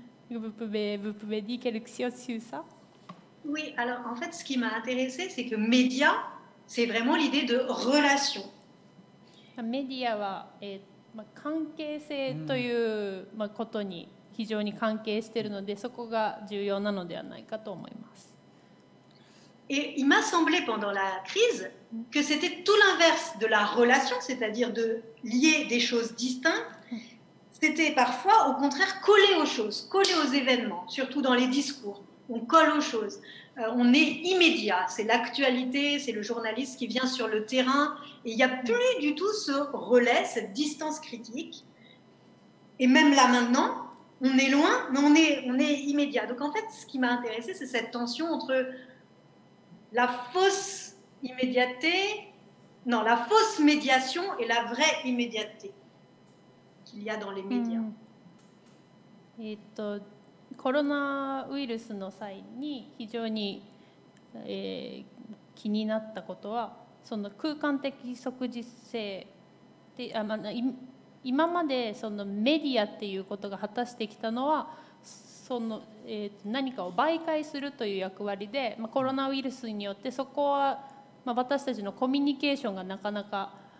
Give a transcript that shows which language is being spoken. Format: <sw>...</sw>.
<fr>Vous pouvez dire quelque chose sur ça? Oui, alors en fait, ce qui m'a intéressé, c'est que média, c'est vraiment l'idée de relation. Média, c'est la relation de la relation.</fr> <ja>非常に関係しているので、そこが重要なのではないかと思います。</ja> <fr>Et il m'a semblé pendant la crise que c'était tout l'inverse de la relation, c'est-à-dire de lier des choses distinctes, c'était parfois au contraire coller aux choses, coller aux événements, surtout dans les discours on colle aux choses, on est immédiat, c'est l'actualité, c'est le journaliste qui vient sur le terrain, et il n'y a plus du tout ce relais, cette distance critique, et même là maintenantOn est loin, mais on est immédiat. Donc en fait, ce qui m'a intéressé, c'est cette tension entre la fausse immédiateté, non, la fausse médiation et la vraie immédiateté qu'il y a dans les médias.</fr> <ja>コロナウイルスの際に非常に気になったことは、その空間的即時性で、今までそのメディアっていうことが果たしてきたのは、その何かを媒介するという役割で、まあ、コロナウイルスによってそこは、まあ、私たちのコミュニケーションがなかなか</ja>